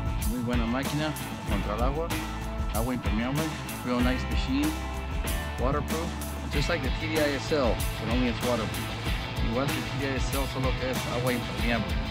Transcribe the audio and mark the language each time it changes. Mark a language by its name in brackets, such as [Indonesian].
[Spanish] Muy buena máquina contra el agua. Agua impermeable. [English] Real nice machine. Waterproof. Just like the TVI SL, but only it's waterproof. [Spanish] Igual que el TVI SL, solo que es agua impermeable.